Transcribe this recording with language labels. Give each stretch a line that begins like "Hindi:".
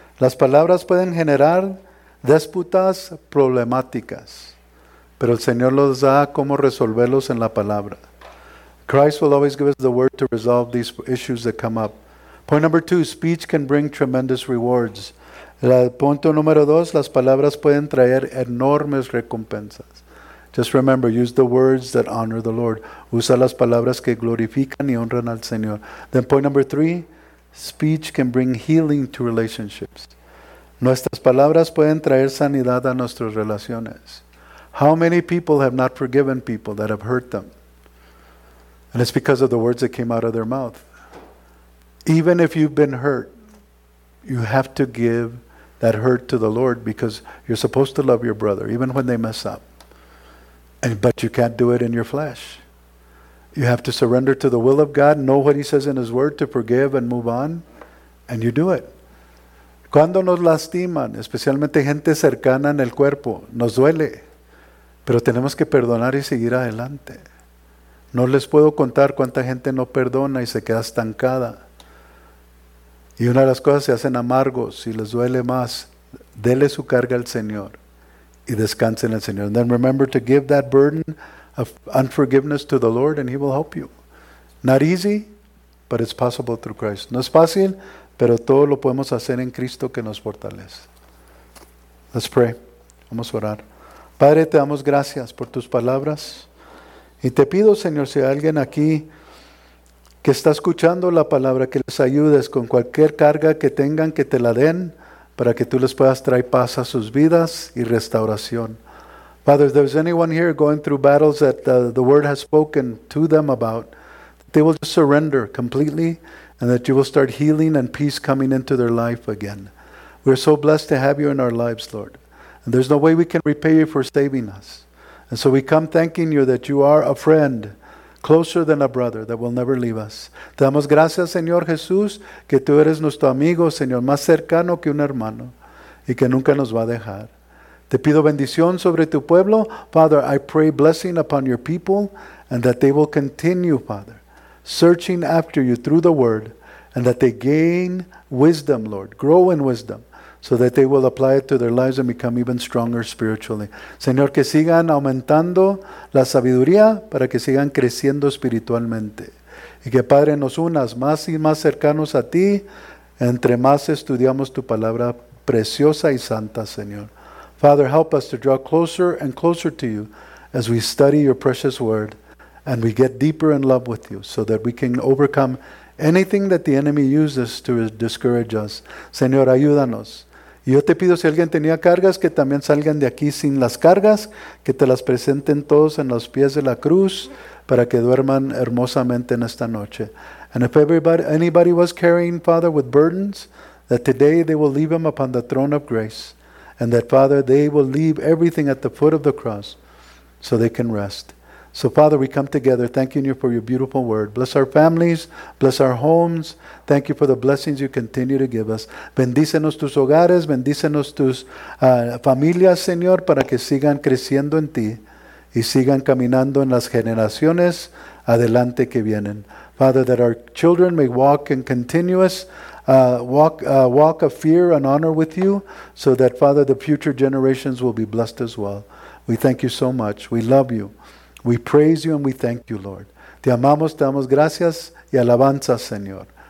Spanish: Las palabras pueden generar disputas problemáticas. Pero el Señor nos da cómo resolverlos en la palabra.
English: Christ will always give us the word to resolve these issues that come up. Point number 2, speech can bring tremendous rewards.
Spanish: Punto número 2, las palabras pueden traer enormes recompensas.
English: Just remember, use the words that honor the Lord.
Spanish: Usa las palabras que glorifican y honran al Señor.
English: Then point number 3, speech can bring healing to relationships.
Spanish: Nuestras palabras pueden traer sanidad a nuestras relaciones.
English: How many people have not forgiven people that have hurt them? And it's because of the words that came out of their mouth. Even if you've been hurt, you have to give that hurt to the Lord because you're supposed to love your brother, even when they mess up. But you can't do it in your flesh. You have to surrender to the will of God, know what He says in His Word to forgive and move on, and you do it.
Spanish: Cuando nos lastiman, especialmente gente cercana en el cuerpo, nos duele. Pero tenemos que perdonar y seguir adelante. No les puedo contar cuánta gente no perdona y se queda estancada. Y una de las cosas se hacen amargos y les duele más. Dele su carga al Señor y descanse en el Señor.
English: And then remember to give that burden of unforgiveness to the Lord and He will help you. Not easy, but it's possible through Christ.
Spanish: No es fácil, pero todo lo podemos hacer en Cristo que nos fortalece.
English: Let's pray.
Spanish: Vamos a orar. Padre, te damos gracias por tus palabras. Y te pido, Señor, si hay alguien aquí que está escuchando la palabra, que les ayudes con cualquier carga que tengan, que te la den, para que tú les puedas traer paz a sus vidas y restauración.
English: Father, if there's anyone here going through battles that the Word has spoken to them about, they will just surrender completely and that you will start healing and peace coming into their life again. We are so blessed to have you in our lives, Lord. And there's no way we can repay you for saving us. And so we come thanking you that you are a friend closer than a brother, that will never leave us.
Spanish: Te damos gracias, Señor Jesús, que tú eres nuestro amigo, Señor, más cercano que un hermano, y que nunca nos va a dejar. Te pido bendición sobre tu pueblo.
English: Father, I pray blessing upon your people, and that they will continue, Father, searching after you through the word, and that they gain wisdom, Lord, grow in wisdom, so that they will apply it to their lives and become even stronger spiritually.
Spanish: Señor, que sigan aumentando la sabiduría para que sigan creciendo espiritualmente. Y que, Padre, nos unas más y más cercanos a ti, entre más estudiamos tu palabra preciosa y santa, Señor.
English: Father, help us to draw closer and closer to you as we study your precious word and we get deeper in love with you so that we can overcome anything that the enemy uses to discourage us.
Spanish: Señor, ayúdanos. Yo te pido, si alguien tenía cargas, que también salgan de aquí sin las cargas, que te las presenten todos en los pies de la cruz para que duerman hermosamente en esta noche.
English: And if anybody was carrying, Father, with burdens, that today they will leave them upon the throne of grace. And that, Father, they will leave everything at the foot of the cross so they can rest. So, Father, we come together thanking you for your beautiful word. Bless our families. Bless our homes. Thank you for the blessings you continue to give us.
Spanish: Bendícenos tus hogares. Bendícenos tus familias, Señor, para que sigan creciendo en ti y sigan caminando en las generaciones adelante que vienen.
English: Father, that our children may walk in continuous walk of fear and honor with you, so that, Father, the future generations will be blessed as well. We thank you so much. We love you. We praise you and we thank you, Lord.
Spanish: Te amamos, te damos gracias y alabanzas, Señor.